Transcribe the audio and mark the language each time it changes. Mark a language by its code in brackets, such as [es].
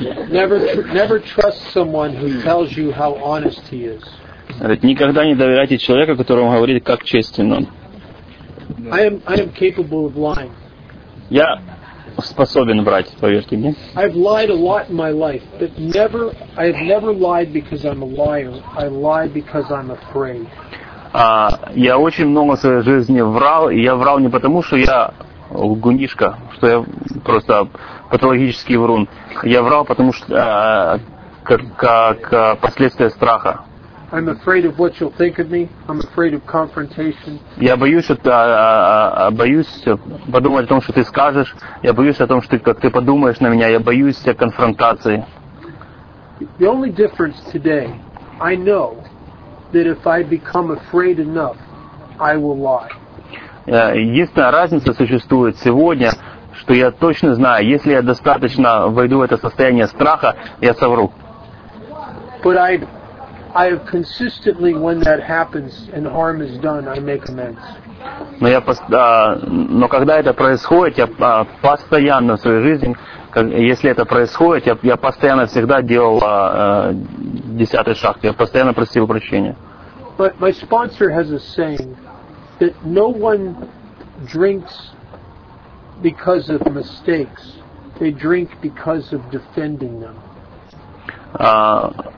[en] Never trust someone who tells you how honest he is. [ru] Никогда не доверяйте человеку, которому говорит, как честен он. [en] I am capable of lying. [ru] Я способен врать, поверьте мне. [en] I've lied a lot in my life, but never I've never lied because I'm a liar. I lie because I'm afraid. [ru] Я очень много в своей жизни врал, и я врал не потому, что я лгунишка, что я просто патологический врун. Я врал потому что как последствия страха. [en] I'm afraid of what you'll think of me. I'm afraid of confrontation. [ru] Я боюсь подумать о том, что ты скажешь. Я боюсь о том, что как ты подумаешь на меня. Я боюсь конфронтации. [en] The only difference today, I know that if I become afraid enough, I will lie. [ru] Единственная разница существует сегодня, что я точно знаю, если я достаточно войду в это состояние страха, я совру. [en] But I have consistently, when that happens and harm is done, I make amends. [ru] Но когда это происходит, я постоянно в своей жизни, если это происходит, я постоянно всегда делал десятый шаг, я постоянно просил прощения. [en] But my sponsor has a saying that no one drinks because of mistakes; they drink because of defending them.